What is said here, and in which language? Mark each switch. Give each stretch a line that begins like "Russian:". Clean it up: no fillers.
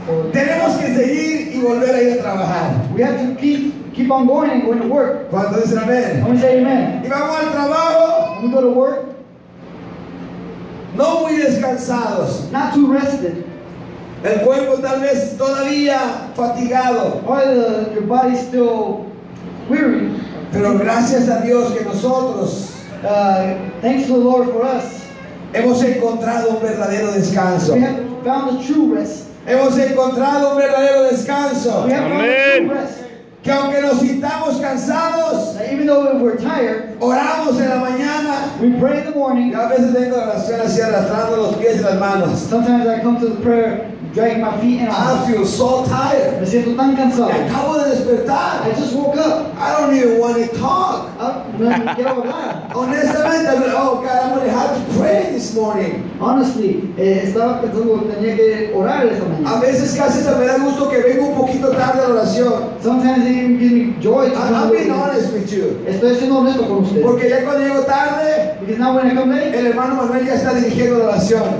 Spanish: Tenemos que seguir y volver a ir a trabajar.
English: We have to keep on going and going to work.
Spanish: ¿Cuánto dicen amén?
English: Let me say amen.
Spanish: Y vamos al trabajo.
English: We go to work.
Spanish: No muy descansados.
English: Not too rested.
Spanish: El cuerpo tal vez todavía fatigado.
English: Your body still weary.
Spanish: Pero gracias a Dios que nosotros,
English: thanks to the Lord for us,
Spanish: hemos encontrado un verdadero descanso.
English: We have found a true rest.
Spanish: Hemos encontrado un verdadero descanso.
English: We have found a true rest.
Spanish: Que aunque nos sintamos cansados,
English: even though we're tired,
Spanish: oramos en la mañana.
English: We pray in the morning.
Spanish: Y a veces tengo la oración así arrastrando los pies y las manos.
English: Sometimes I come to the prayer. Dragging my feet and I feel so tired.
Spanish: Me siento tan cansado. Me acabo de despertar.
English: I just woke up. I don't even want to talk.
Spanish: Honestamente,
English: I'm like, oh God, I'm gonna have to pray this morning. Honestly,
Spanish: estaba pensando que tenía que orar esta mañana. A veces casi se me da gusto que vengo un poquito tarde a la oración.
English: Sometimes it even gives me joy. I'm being honest with you.
Spanish: Estoy siendo honesto con usted. Porque ya cuando llego tarde,
English: because now when I come late,
Spanish: el hermano Manuel ya está dirigiendo la oración.